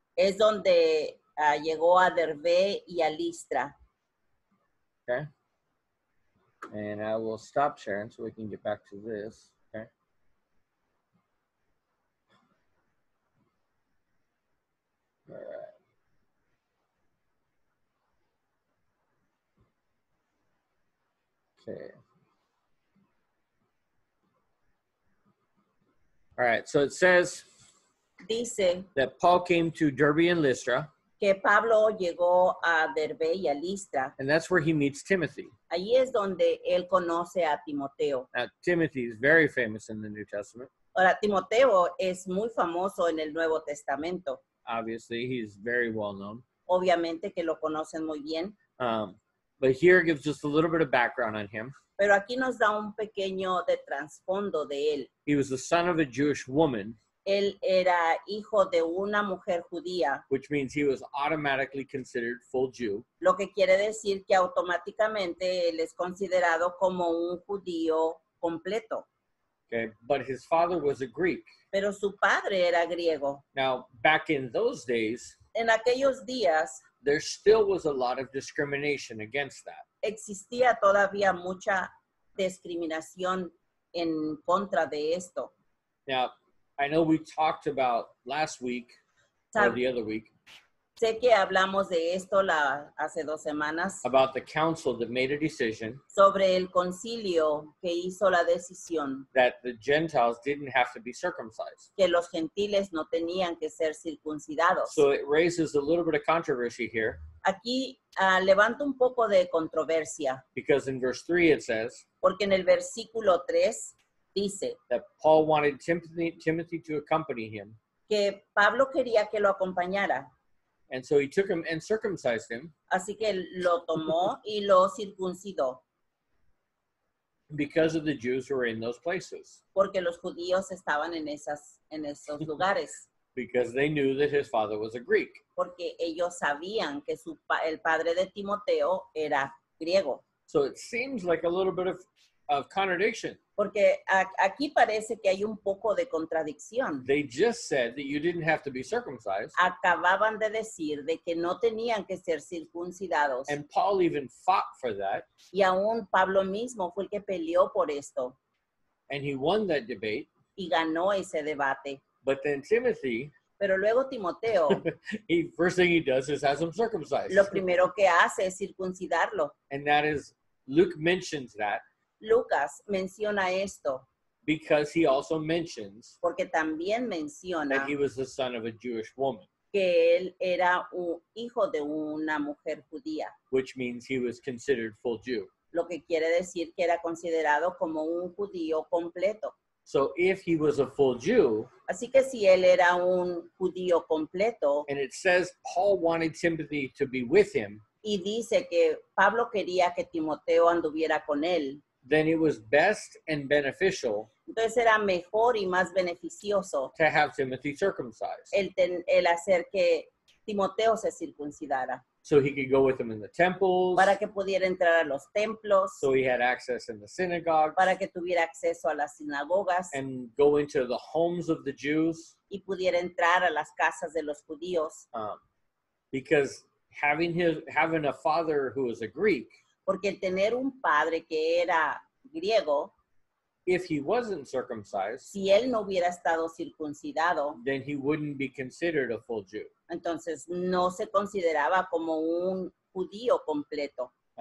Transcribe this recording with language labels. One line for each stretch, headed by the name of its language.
Spanish: Es donde llegó a Derbe y a Lystra.
English: Okay. And I will stop sharing so we can get back to this. Okay. All right. Okay. All right. So it says
Spanish: dice
English: that Paul came to Derbe and Lystra.
Spanish: Que Pablo llegó a Derbe y a Lystra.
English: And that's where he meets Timothy.
Spanish: Allí es donde él conoce a Timoteo.
English: Now, Timothy is very famous in the New Testament.
Spanish: Ahora, Timoteo es muy famoso en el Nuevo Testamento.
English: Obviously, he's very well known.
Spanish: Obviamente que lo conocen muy bien.
English: But here gives just a little bit of background on him.
Spanish: Pero aquí nos da un pequeño de trasfondo de él.
English: He was the son of a Jewish woman.
Spanish: Él era hijo de una mujer judía.
English: Which means he was automatically considered full Jew.
Spanish: Lo que quiere decir que automáticamente él es considerado como un judío completo.
English: Okay, but his father was a Greek.
Spanish: Pero su padre era griego.
English: Now, back in those days,
Spanish: en aquellos días,
English: there still was a lot of discrimination against that.
Spanish: Existía todavía mucha discriminación en contra de esto.
English: Now, I know we talked about last week or the other week.
Spanish: Sé que hablamos de esto hace dos semanas.
English: About the council that made a decision.
Spanish: Sobre el concilio que hizo la decisión.
English: That the Gentiles didn't have to be circumcised.
Spanish: Que los gentiles no tenían que ser circuncidados.
English: So it raises a little bit of controversy here.
Spanish: Aquí levanta un poco de controversia.
English: Because in verse 3 it says.
Spanish: Porque en el versículo 3. Dice
English: that Paul wanted Timothy to accompany him.
Spanish: Que Pablo quería que lo acompañara.
English: And so he took him and circumcised him.
Spanish: Así que lo tomó y lo circuncidó.
English: Because of the Jews who were in those places.
Spanish: Porque los judíos estaban en esos lugares.
English: Because they knew that his father was a Greek.
Spanish: Porque ellos sabían que el padre de Timoteo era griego.
English: So it seems like a little bit of contradiction.
Spanish: Porque aquí parece que hay un poco de contradicción.
English: They just said that you didn't have to be circumcised.
Spanish: Acababan de decir de que no tenían que ser circuncidados.
English: And Paul even fought for that.
Spanish: Y aún Pablo mismo fue el que peleó por esto.
English: And he won that debate.
Spanish: Y ganó ese debate.
English: But then Timothy.
Spanish: Pero luego Timoteo.
English: The first thing he does is has him circumcised.
Spanish: Lo primero que hace es circuncidarlo.
English: And that is, Luke mentions that.
Spanish: Lucas menciona esto.
English: Because he also mentions.
Spanish: Porque también menciona.
English: That he was the son of a Jewish woman.
Spanish: Que él era un hijo de una mujer judía.
English: Which means he was considered full Jew.
Spanish: Lo que quiere decir que era considerado como un judío completo.
English: So if he was a full Jew.
Spanish: Así que si él era un judío completo.
English: And it says Paul wanted Timothy to be with him.
Spanish: Y dice que Pablo quería que Timoteo anduviera con él.
English: Then it was best and beneficial.
Spanish: Entonces era mejor y más beneficioso.
English: To have Timothy circumcised.
Spanish: El hacer que Timoteo se circuncidara.
English: So he could go with him in the temples.
Spanish: Para que pudiera entrar a los templos.
English: So he had access in the synagogues.
Spanish: Para que tuviera acceso a las sinagogas.
English: And go into the homes of the Jews.
Spanish: Y pudiera entrar a las casas de los judíos.
English: Because having a father who is a Greek.
Spanish: Porque el tener un padre que era griego,
English: if he wasn't circumcised,
Spanish: si él no hubiera estado circuncidado,
English: then he wouldn't be considered a full Jew.
Spanish: Entonces no se consideraba como un judío completo.